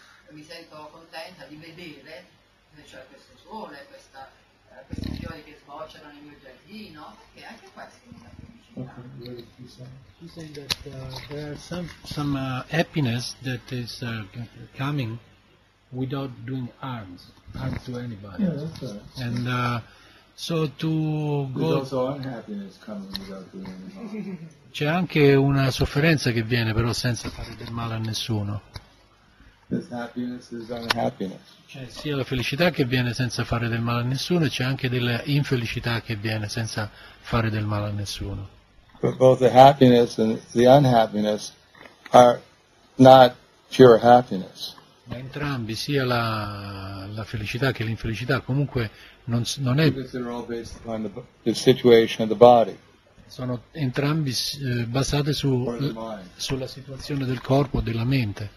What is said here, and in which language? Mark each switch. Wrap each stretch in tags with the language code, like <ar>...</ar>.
<it>Mi sento contenta di vedere, cioè, questo sole, questi fiori che sbocciano nel mio giardino, e anche questo mi dà felicità. Okay.</it> <en>She said that there is some happiness that is coming without doing harm to anybody. Yeah, that's right. And so to go. There's also unhappiness coming without doing harm.</en> <it>C'è anche una sofferenza che viene però senza fare del male a nessuno.</it> <en>This happiness is unhappiness.</en> <it>C'è sia la felicità che viene senza fare del male a nessuno, e c'è anche della infelicità che viene senza fare del male a nessuno.</it> <en>But both the happiness and the unhappiness are not pure happiness.</en> <it>Ma entrambi, sia la felicità che l'infelicità, comunque non è.</it> <en>Because they're all based upon the situation of the body.</en> <it>Sono entrambi basate sulla situazione del corpo, della mente.</it>